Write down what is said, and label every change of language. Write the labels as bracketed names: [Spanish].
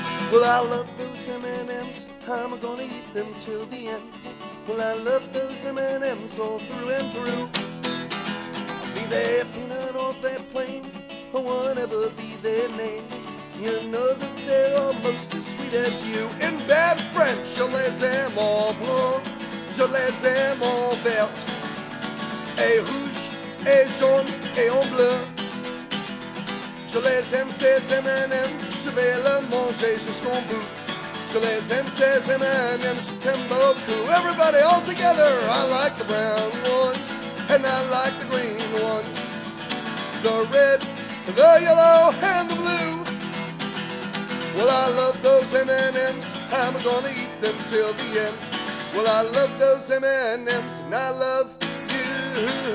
[English] Well, I love those M&M's, I'm gonna eat them till the end. Well, I love those M&M's all through and through. Be they peanut or they plain, or whatever be their name, you know that they're almost as sweet as you. In bad French, [French] je les aime en blanc, je les aime en vert, et rouge, et jaune, et en bleu. Je les aime ces M&M, je vais le manger jusqu'au bout. Je les aime ces M&M, je t'aime beaucoup. [English] Everybody all together, I like the brown ones, and I like the green ones, the red, the yellow, and the blue. Well, I love those M&M's, I'm gonna eat them till the end. Well, I love those M&M's, and I love you.